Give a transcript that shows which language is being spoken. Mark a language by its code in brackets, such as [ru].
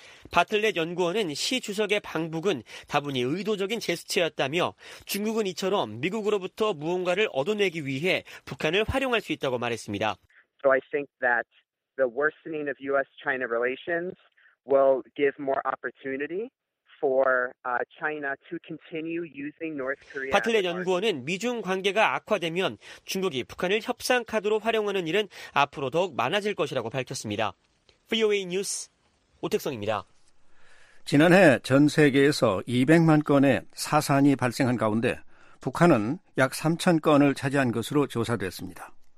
[ko] 바틀렛 연구원은 시 주석의 방북은 다분히 의도적인 제스처였다며 중국은 이처럼 미국으로부터 무언가를 얻어내기 위해 북한을 활용할 수 있다고 말했습니다. [en] So I think that the worsening of U.S.-China relations will give more opportunity for China to continue using North Korea. [ko] 바틀렛 연구원은 미중 관계가 악화되면 중국이 북한을 협상 카드로 활용하는 일은 앞으로 더욱 많아질 것이라고 밝혔습니다. VOA 뉴스 오택성입니다. 지난해 전 세계에서 200만 건의 사산이 발생한 가운데 북한은 약 3천 건을 차지한 것으로 조사됐습니다.